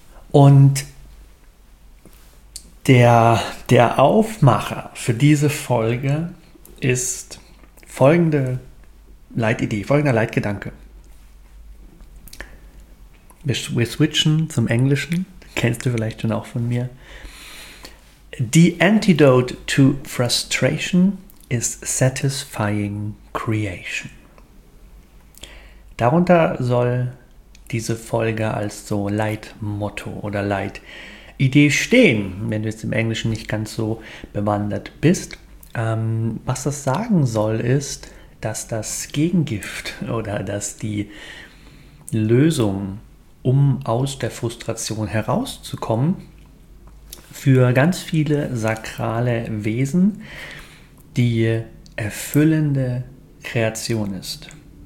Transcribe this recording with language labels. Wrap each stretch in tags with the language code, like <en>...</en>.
<de>Und der Aufmacher für diese Folge ist folgende Leitidee, folgender Leitgedanke. Wir switchen zum Englischen, kennst du vielleicht schon auch von mir.</de> <en>The antidote to frustration is satisfying creation.</en> <de>Darunter soll diese Folge als so Leitmotto oder Leitidee stehen, wenn du jetzt im Englischen nicht ganz so bewandert bist. Was das sagen soll, ist, dass das Gegengift oder dass die Lösung, um aus der Frustration herauszukommen, für ganz viele sakrale Wesen die erfüllende Kreation ist.</de>